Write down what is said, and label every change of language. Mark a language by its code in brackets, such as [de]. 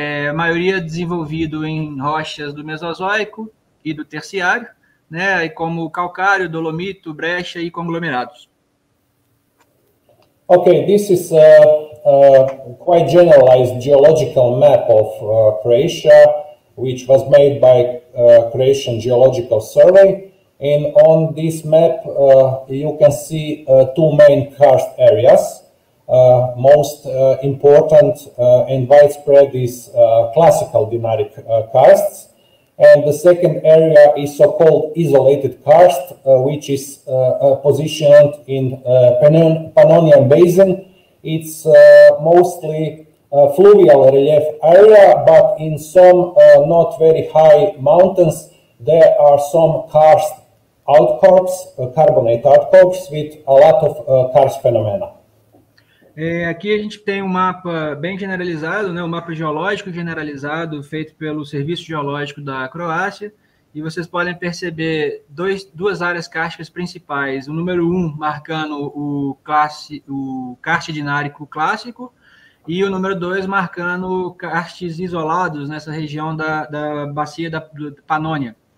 [pt] A maioria desenvolvido em rochas do Mesozoico e do Terciário, né, como calcário, dolomito, brecha e conglomerados. [en] Okay, this is a quite generalized geological map of Croatia, which was made by Croatian Geological Survey. And on this map, you can see two main karst areas. Most important and widespread is classical dinaric karsts, and the second area is so-called isolated karst, which is positioned in Pannonian Basin. It's mostly a fluvial relief area, but in some not very high mountains there are some karst outcrops, carbonate outcrops, with a lot of karst phenomena. [pt] Aqui a gente tem um mapa bem generalizado, né? Um mapa geológico generalizado feito pelo Serviço Geológico da Croácia, e vocês podem perceber duas áreas kársticas principais, o número 1 marcando o karst dinárico clássico e o número 2 marcando karsts isolados nessa região da bacia da Panônia.